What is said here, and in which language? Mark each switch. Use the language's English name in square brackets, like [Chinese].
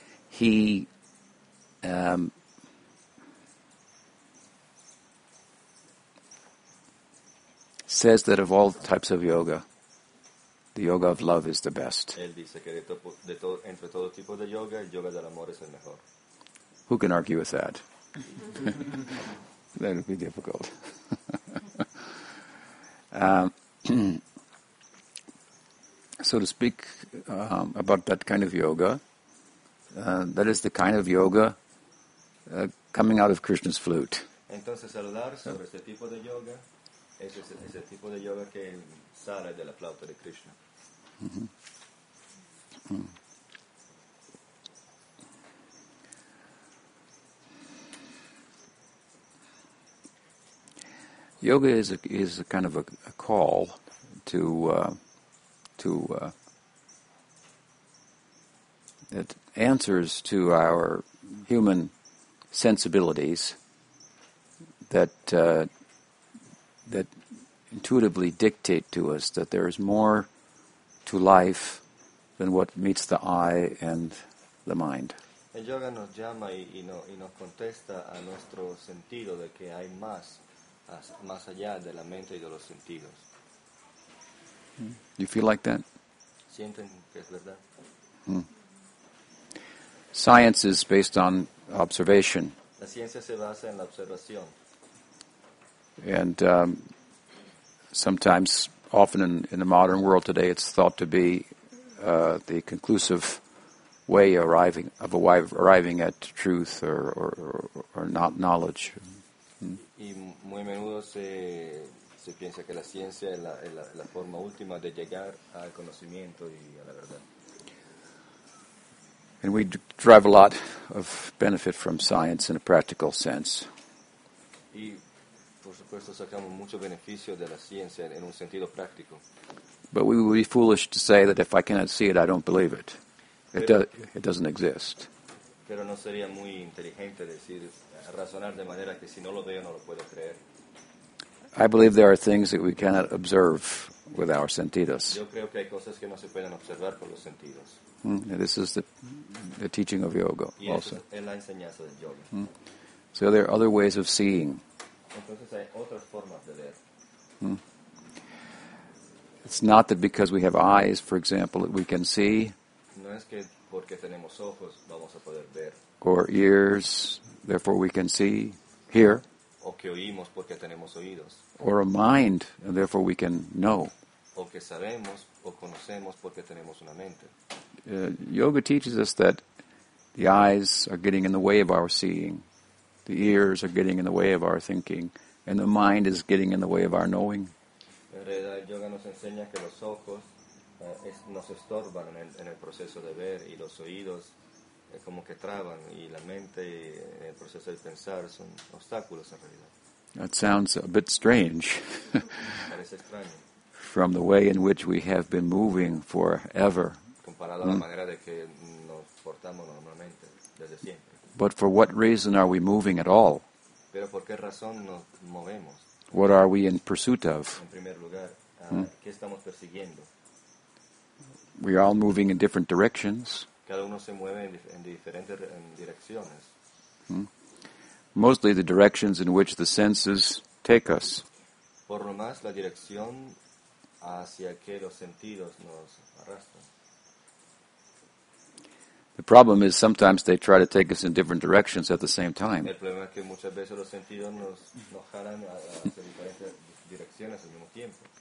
[English] he says that of all types of yoga, the yoga of love is the best. [Spanish] Él dice que entre todo tipo de yoga, el yoga del amor es el mejor. [English] Who can argue with that? That would be difficult. so to speak about that kind of yoga, that is the kind of yoga coming out of Krishna's flute. [Spanish] Entonces, hablar sobre este tipo de yoga, es el tipo de yoga que sale de la flauta de Krishna. [English] Yoga is a kind of a call to that answers to our human sensibilities that intuitively dictate to us that there is more to life than what meets the eye and the mind. [Spanish] El yoga nos llama y nos contesta a nuestro sentido de que hay más allá de la mente y de los sentidos. [English] You feel like that? [Spanish] ¿Sienten que es verdad? [English] Science is based on observation. [Spanish] La ciencia se basa en la observación. [English] And sometimes, often in the modern world today, it's thought to be the conclusive way arriving at truth or knowledge. [Spanish] Y muy menudo se piensa que la ciencia es la forma última de llegar al conocimiento y a la verdad. [English] And we derive a lot of benefit from science in a practical sense. [Spanish] Y por supuesto sacamos mucho beneficio de la ciencia en un sentido práctico. [English] But we would be foolish to say that if I cannot see it, I don't believe it. It doesn't exist. [Spanish] Pero no sería muy inteligente decir, razonar de manera que si no lo veo, no lo puedo creer. [English] I believe there are things that we cannot observe with our sentidos. [Spanish] Yo creo que hay cosas que no se pueden observar con los sentidos. [English] This is the teaching of yoga also. [Spanish] Es la enseñanza del yoga. [English] So there are other ways of seeing. [Spanish] Entonces hay otras formas de ver. [English] It's not that because we have eyes, for example, that we can see. [Spanish] No es que porque tenemos ojos vamos a poder ver. [English] Or ears, therefore we can see, hear. [Spanish] O que oímos porque tenemos oídos. [English] Or a mind, and therefore we can know. [Spanish] O que sabemos o conocemos porque tenemos una mente. [English] Yoga teaches us that the eyes are getting in the way of our seeing, the ears are getting in the way of our thinking, and the mind is getting in the way of our knowing. [Spanish] En realidad, el yoga nos enseña que los ojos nos estorban en el proceso de ver, y los oídos como que traban, y la mente en el proceso de pensar son obstáculos en realidad. [English] That sounds a bit strange. [Spanish] Parece extraño. [English] From the way in which we have been moving forever. [Spanish] Comparado a la manera de que nos portamos normalmente, desde siempre. [English] But for what reason are we moving at all? [Spanish] Pero por qué razón nos movemos? [English] What are we in pursuit of? [Spanish] En primer lugar, ¿qué estamos persiguiendo? [English] We are all moving in different directions. [Spanish] Cada uno se mueve en diferentes direcciones. [English] Mostly the directions in which the senses take us. [Spanish] Por lo más, la dirección hacia que los sentidos nos arrastran. [English] The problem is sometimes they try to take us in different directions at the same time. [Spanish] El problema es que muchas veces los sentidos nos jalan hacia diferentes direcciones al mismo tiempo.